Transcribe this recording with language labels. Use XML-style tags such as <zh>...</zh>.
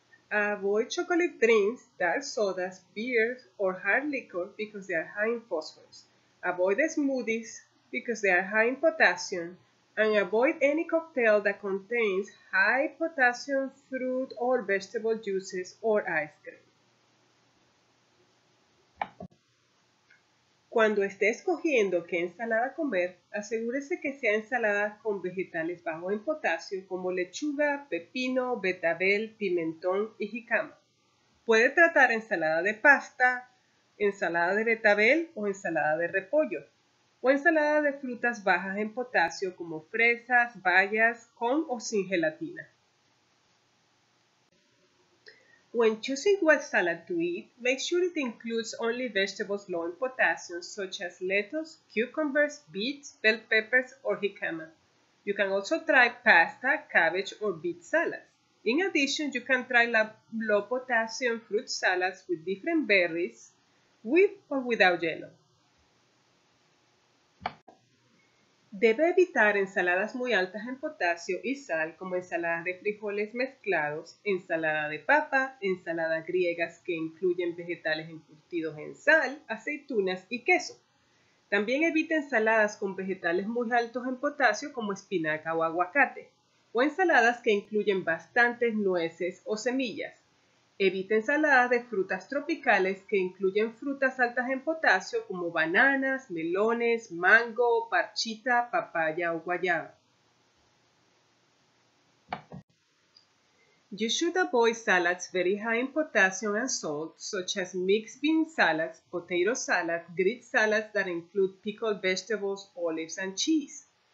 <en>Avoid chocolate drinks, dark sodas, beers, or hard liquor because they are high in phosphorus. Avoid smoothies because they are high in potassium. And avoid any cocktail that contains high potassium fruit or vegetable juices or ice cream.</en> <es>Cuando esté escogiendo qué ensalada comer, asegúrese que sea ensalada con vegetales bajos en potasio como lechuga, pepino, betabel, pimentón y jícama. Puede tratar ensalada de pasta, ensalada de betabel o ensalada de repollo, o ensalada de frutas bajas en potasio como fresas, bayas, con o sin gelatina.</es> <en>When choosing what salad to eat, make sure it includes only vegetables low in potassium, such as lettuce, cucumbers, beets, bell peppers, or jicama. You can also try pasta, cabbage, or beet salads. In addition, you can try low potassium fruit salads with different berries, with or without yellow.</en> <es>Debe evitar ensaladas muy altas en potasio y sal, como ensaladas de frijoles mezclados, ensalada de papa, ensaladas griegas que incluyen vegetales encurtidos en sal, aceitunas y queso. También evite ensaladas con vegetales muy altos en potasio, como espinaca o aguacate, o ensaladas que incluyen bastantes nueces o semillas. Evite ensaladas de frutas tropicales que incluyen frutas altas en potasio como bananas, melones, mango, parchita, papaya o guayaba.</es> <en>You should avoid salads very high in potassium and salt, such as mixed bean salads, potato salads, Greek salads that include pickled vegetables, olives and cheese.</en>